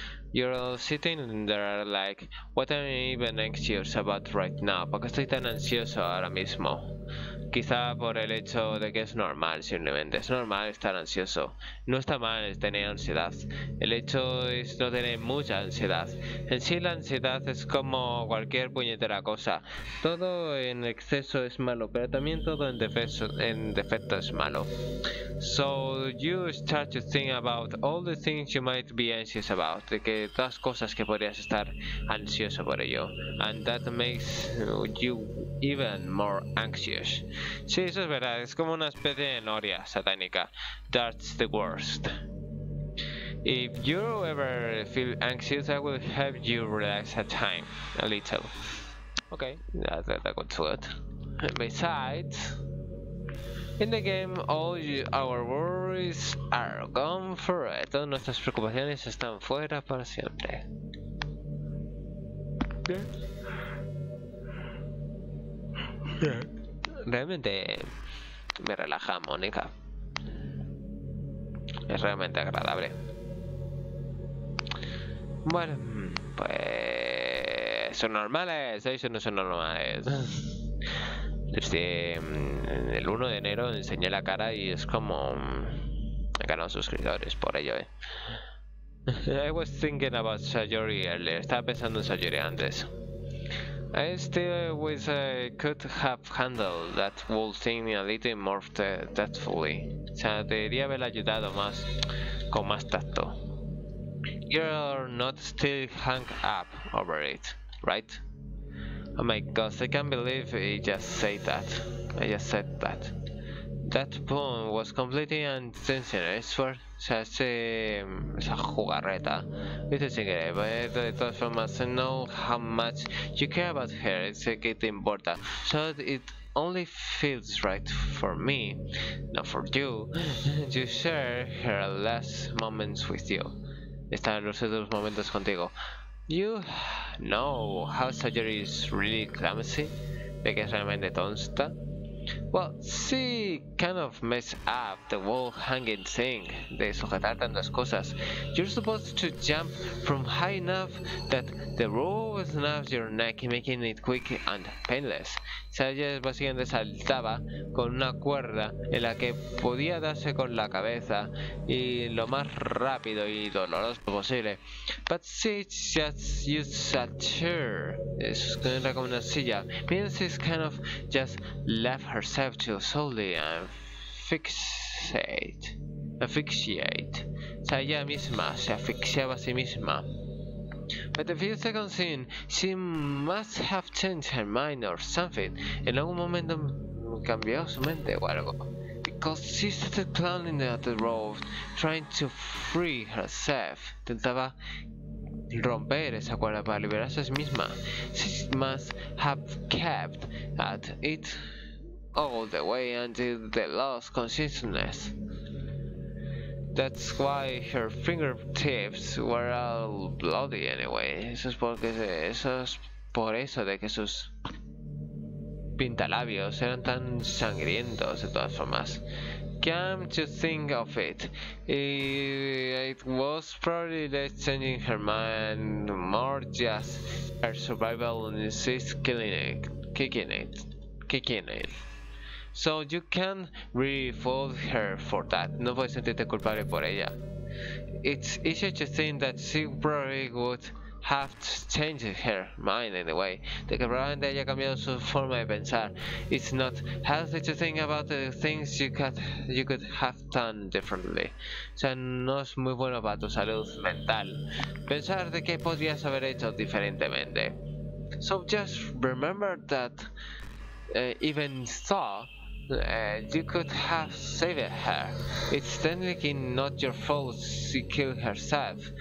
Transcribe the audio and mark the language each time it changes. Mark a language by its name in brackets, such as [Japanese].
[English] You're all sitting there like, what am I even anxious about right now? [Spanish] ¿Por qué estoy tan ansioso ahora mismo? Quizá por el hecho de que es normal, simplemente. Es normal estar ansioso. No está mal tener ansiedad. El hecho es no tener mucha ansiedad. En sí, la ansiedad es como cualquier puñetera cosa. Todo en exceso es malo, pero también todo en defecto es malo. [English] So, you start to think about all the things you might be anxious about. [Spanish] De que todas cosas que podrías estar ansioso por ello. [English] And that makes you even more anxious. [Spanish] Sí, eso es verdad, es como una especie de noria satánica. [English] That's the worst. If you ever feel anxious, I will help you relax a time, a little. Okay, that got to it. And besides, in the game, all our worries are gone forever. [Spanish] Todas nuestras preocupaciones están fuera para siempre. Realmente me relaja, Mónica. Es realmente agradable. Bueno, pues son normales, ¿eh? Eso no son normales. Desde el 1 de enero enseñé la cara y es como he ganado suscriptores por ello, ¿eh? [English] I was thinking about surgery earlier. [Spanish] Estaba pensando en surgery antes. [English] I still wish I could have handled that whole thing a little more tactfully. [Spanish] O sea, debería haber ayudado más, con más tacto. [English] You're not still hung up over it, right? Oh my god, I can't believe he just said that. I just said that. That poem was completely unintentional, I swear. [Spanish] O sea, esa jugarreta. Dice sin querer, pero de todas formas, [English] I know how much you care about her, it's a [Spanish] que te importa. [English] So it only feels right for me, not for you, to share her last moments with you. [Spanish] Están los últimos momentos contigo. [English] You know how surgery is really clumsy, [Spanish] de que es realmente tonta. [English] Well, she kind of messed up the wall hanging thing, [Spanish] de sujetar tantas cosas. [English] You're supposed to jump from high enough that the rope snaps your neck, making it quick and painless. [Spanish] O sea, ella básicamente saltaba con una cuerda en la que podía darse con la cabeza y lo más rápido y doloroso posible. [English] But she just used a chair. [Spanish] Es como una silla. [English] Means she's kind of just left herself to slowly asphyxiate. [Spanish] O sea, ella misma se asfixiaba a sí misma. [English] But a few seconds in, she must have changed her mind or something. [Spanish] En algún momento cambió su mente o algo. [English] Because she started climbing at the rope, trying to free herself. [Spanish] Intentaba romper esa cuerda para liberarse a sí misma. [English] She must have kept at it all the way until the lost consciousness. That's why her fingertips were all bloody anyway. [Spanish] Eso es por eso de que sus pintalabios eran tan sangrientos de todas formas. [English] Come to think of it, it was probably less changing her mind, more just her survival instinct kicking it. So you can't really fault her for that. [Spanish] No puedes sentirte culpable por ella. [English] It's easier to think that she probably would have changed her mind anyway. [Spanish] De que probablemente haya cambiado su forma de pensar. [English] It's not healthy to think about the things you could have done differently. [Spanish] O sea, no es muy bueno para tu salud mental pensar de qué podrías haber hecho diferentemente. [English] So just remember that even so, you could have saved her. It's technically not your fault she killed herself.